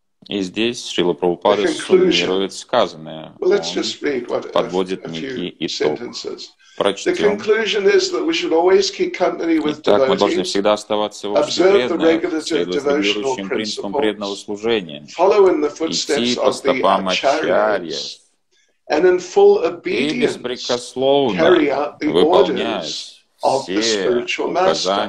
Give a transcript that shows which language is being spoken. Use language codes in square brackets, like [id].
[ru] И здесь Шрила Прабхупада суммирует сказанное. [en] Well, let's just read what [ru] подводит некий итог. Прочтем. [en] The conclusion is that we should always keep company with devotees. [ru] Итак, мы должны всегда оставаться в обществе преданного служения. [en] Follow in the footsteps of the acharyas. And in full obedience, carry out the orders of the spiritual master.